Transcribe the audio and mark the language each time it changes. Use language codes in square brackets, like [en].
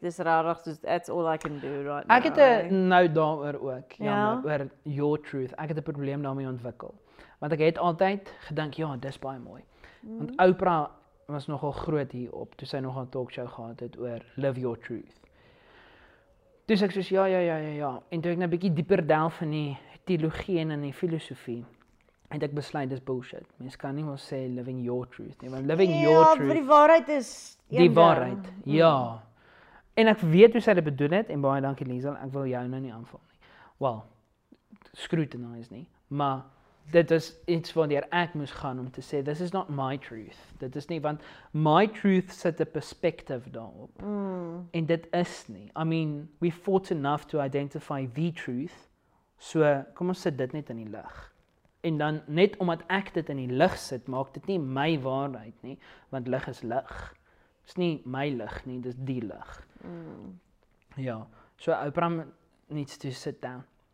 [af] Dis rarig, [en] so that's all I can do right now. [af] Ek het nou daaroor ook, jammer, oor [en] your truth. [af] Ek het 'n probleem daarmee ontwikkel. Want ek het altyd gedink, ja, dis baie mooi. Want Oprah was nogal groot hierop, toe sy nogal 'n talkshow gehad het oor [en] live your truth. [af] Toe sê ek soos, ja. En toe ek nou bietjie dieper delf in die teologie en in die filosofie, en ek besluit dis bullshit. Mens kan nie maar sê [en] living your truth [af] nie, want living your truth. Ja, die waarheid is die waarheid. Ja. En ek weet hoe sy dit bedoel het en baie dankie Liesel, ek wil jou nou nie aanval nie. [en] Well, scrutinize [af] nie, maar dit is iets waardeur ek moes gaan om te sê [en] this is not my truth. [af] Dit is nie, want my truth sit 'n perspective daarop. En dit is nie. [en] I mean, we fought enough to identify the truth. [af] So, kom ons sit dit net in die lig. En dan, net omdat ek dit in die lig sit, maak dit nie my waarheid nie, want lig is lig. Dit is nie my lig nie, dit is die lig. [en] Ja, so Oprah needs to sit down.